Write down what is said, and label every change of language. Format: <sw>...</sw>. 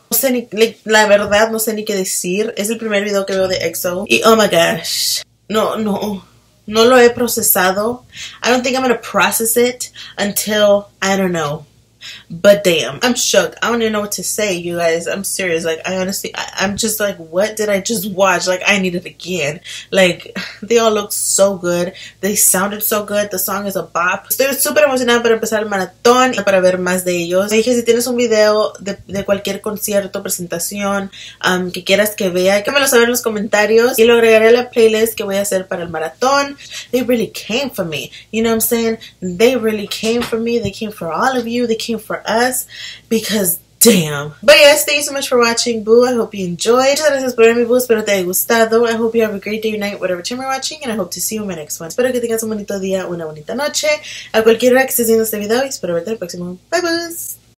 <es>No sé ni, la verdad, no sé ni qué decir. Es el primer video que veo de EXO. Y</es> <en>oh my gosh.</en> <es>No lo he procesado.</es> <en>I don't think I'm gonna process it until, I don't know. But damn. I'm shook. I don't even know what to say, you guys. I'm serious. Like, I honestly, I'm just like, what did I just watch? Like, I need it again. Like, they all look so good. They sounded so good. The song is a bop.</en> <es>Estoy super emocionada para empezar el maratón y para ver más de ellos. Me dije, si tienes un video de cualquier concierto, presentación, que quieras que vea, déjamelo saber en los comentarios. Y lo agregaré a la playlist que voy a hacer para el maratón.</es> <en>They really came for me. You know what I'm saying? They really came for me. They came for all of you. They came for us because damn. But yes, thank you so much for watching, boo. I hope you enjoyed.</en> <es>Muchas gracias por verme,</es> <en>boo.</en> <es>Espero te haya gustado.</es> <en>I hope you have a great day or night, whatever time you're watching, and I hope to see you in my next one.</en> <es>Espero que tengas un bonito día, una bonita noche. A cualquier hora que estés viendo este video, y espero verte el próximo.</es> <en>Bye, boos.</en>